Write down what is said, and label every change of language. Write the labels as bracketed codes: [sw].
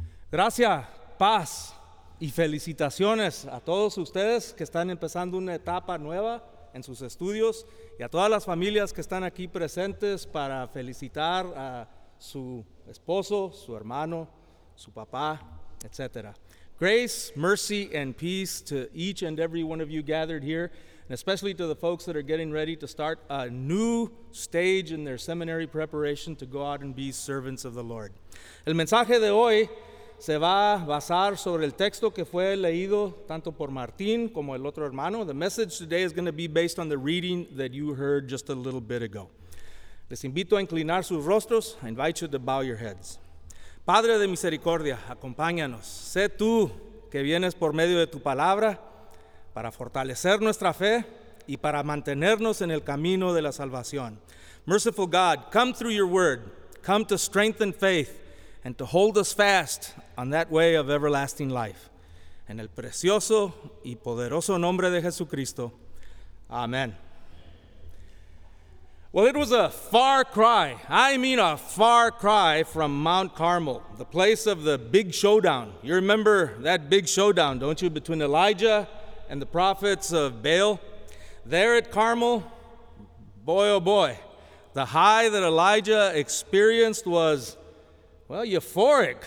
[es] Gracias, paz y felicitaciones a todos ustedes que están empezando una etapa nueva en sus estudios y a todas las familias que están aquí presentes para felicitar a su esposo, su hermano, su papá, etc. [en] Grace, mercy, and peace to each and every one of you gathered here, and especially to the folks that are getting ready to start a new stage in their seminary preparation to go out and be servants of the Lord. [es] El mensaje de hoy se va a basar sobre el texto que fue leído tanto por Martín como el otro hermano. [en] The message today is going to be based on the reading that you heard just a little bit ago. [es] Les invito a inclinar sus rostros. [en] I invite you to bow your heads. [es] Padre de misericordia, acompáñanos. Sé tú que vienes por medio de tu palabra para fortalecer nuestra fe y para mantenernos en el camino de la salvación. [en] Merciful God, come through your word. Come to strengthen faith and to hold us fast on that way of everlasting life. En el precioso y poderoso nombre de Jesucristo. Amen. Well, it was a far cry, I mean a far cry, from Mount Carmel, the place of the big showdown. You remember that big showdown, don't you, between Elijah and the prophets of Baal? There at Carmel, boy oh boy, the high that Elijah experienced was, well, euphoric.